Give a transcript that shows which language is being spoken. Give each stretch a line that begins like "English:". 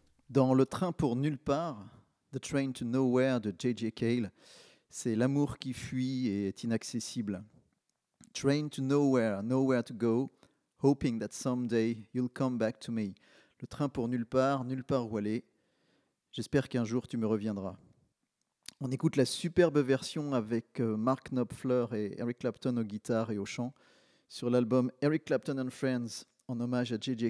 French: Dans Le train pour nulle part, The Train to Nowhere de J.J. Cale, c'est l'amour qui fuit et est inaccessible.
English: Train to nowhere, nowhere to go, hoping that someday you'll come back to me.
French: Le train pour nulle part, nulle part où aller, j'espère qu'un jour tu me reviendras. On écoute la superbe version avec Mark Knopfler et Eric Clapton aux guitares et au chant sur l'album Eric Clapton and Friends en hommage à J.J.